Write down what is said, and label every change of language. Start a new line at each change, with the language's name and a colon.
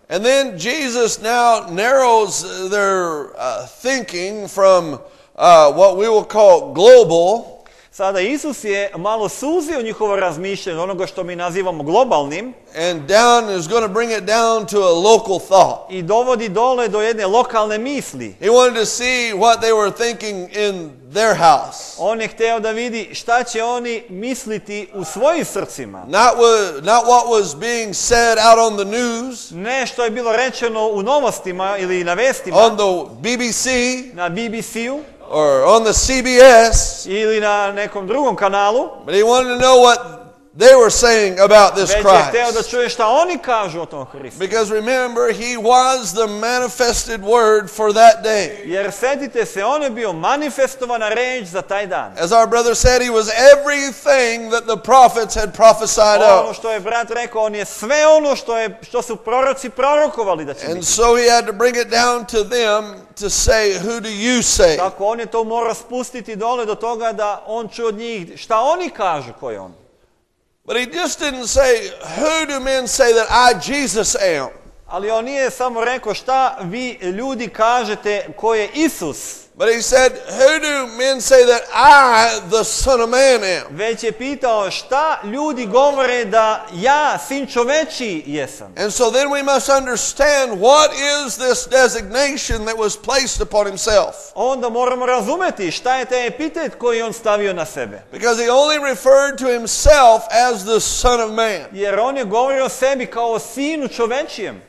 English: And then Jesus now narrows their thinking from what we will call global.
Serbian: Sada Isus je malo suzio njihovo razmišljanje onoga što mi nazivamo globalnim.
English: And down is going to bring it down to a local thought.
Serbian: I dovodi dole do jedne lokalne misli.
English: He wanted to see what they were thinking in their house.
Serbian: On je hteo da vidi šta će oni misliti u svojim srcima.
English: Not what was being said out on the news.
Serbian: Ne što je bilo rečeno u novostima ili na vestima.
English: On the BBC.
Serbian: Na BBC-u.
English: Or on the CBS.
Serbian: Ili na nekom drugom kanalu.
English: But he wanted to know what they were saying about this Christ.
Serbian: Već je hteo da čuje šta oni kažu o tom Hristu.
English: Because remember, he was the manifested word for that day.
Serbian: Jer setite se, on je bio manifestovana reč za taj dan.
English: As our brother said, he was everything that the prophets had prophesied of.
Serbian: Ono što je brat rekao, on je sve ono što su proroci prorokovali da će biti.
English: And so he had to bring it down to them to say, who do you say?
Serbian: Tako on je to morao spustiti dole do toga da on čuje od njih šta oni kažu ko je on.
English: But he just didn't say, who do men say that I, Jesus, am?
Serbian: Ali on nije samo rekao šta vi ljudi kažete ko je Isus.
English: But he said, who do men say that I, the Son of Man, am?
Serbian: Već je pitao šta ljudi govore da ja, Sin Čoveči, jesam.
English: And so then we must understand what is this designation that was placed upon himself.
Serbian: Onda moramo razumeti šta je taj epitet koji on stavio na sebe.
English: Because he only referred to himself as the Son of Man.
Serbian: Jer on je govorio o sebi kao o Sinu Čovečijem.